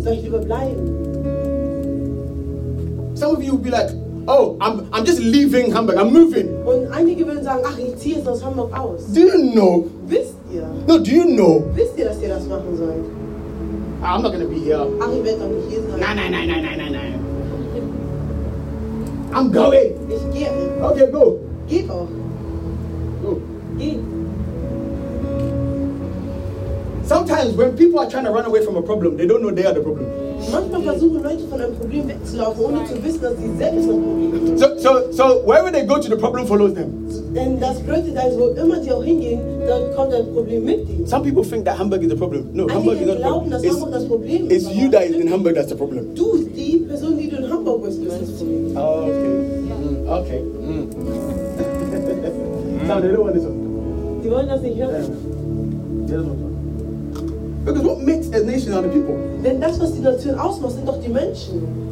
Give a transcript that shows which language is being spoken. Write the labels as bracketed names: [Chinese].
[English] Some of you will be like, oh, I'm just leaving Hamburg. I'm moving. [German] Und einige würden sagen, ach, ich ziehe jetzt aus Hamburg aus. [English] Do you know? [German] Wisst ihr? [English] No, do you know? [German] Wisst ihr, dass ihr das machen sollt? [English] I'm not gonna be here. [German] Ach, ich werde nicht hier sein. Nein. [English] I'm going. [German] Ich gehe. [English] Okay, go. [German] Geh doch. [English] Go. [German] Geh. [English] Sometimes when people are trying to run away from a problem, they don't know they are the problem. [German] Manchmal versuchen Leute von einem Problem wegzulaufen, ohne zu wissen, dass sie selbst das Problem sind. [English] So, wherever they go to, the problem follows them. [German] Denn das bedeutet, dass wo immer die auch hingehen, dann kommt ein Problem mit ihnen. [English] Some people think that Hamburg is the problem. No, Hamburg is not the problem. [German] Einige glauben, dass Hamburg das Problem ist. [English] It's you that is in Hamburg that's the problem. [German] Du, die Person, die du in Hamburg bist, das ist das Problem. [English] Okay. Now, they don't want this one. [German] Die wollen das nicht hören. [English] Because what makes a nation are the people. [German] Denn das, was die Nation ausmacht, sind doch die Menschen.